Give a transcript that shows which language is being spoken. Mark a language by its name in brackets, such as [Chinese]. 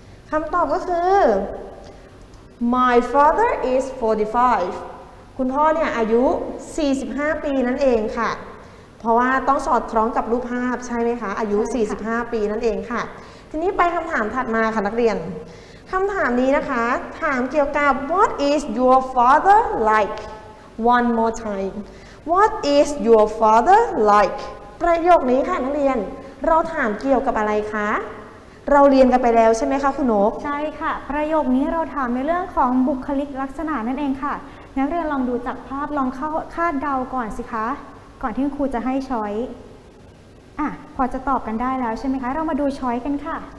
[Thai] คำตอบก็คือ [English] My father is 45 [Thai] คุณพ่อเนี่ยอายุ45ปีนั่นเองค่ะเพราะว่าต้องสอดคล้องกับรูปภาพใช่ไหมคะอายุ45ปีนั่นเองค่ะทีนี้ไปคำถามถัดมาค่ะนักเรียนคำถามนี้นะคะถามเกี่ยวกับ [English] What is your father like? One more time What is your father like? [Thai] ประโยคนี้ค่ะนักเรียนเราถามเกี่ยวกับอะไรคะเราเรียนกันไปแล้วใช่ไหมคะคุณโอ๊ก ใช่ค่ะประโยคนี้เราถามในเรื่องของบุคลิกลักษณะนั่นเองค่ะนักเรียนลองดูจากภาพลองคาดเดาก่อนสิคะก่อนที่ครูจะให้ช้อยพอจะตอบกันได้แล้วใช่ไหมคะเรามาดูช้อยกันค่ะ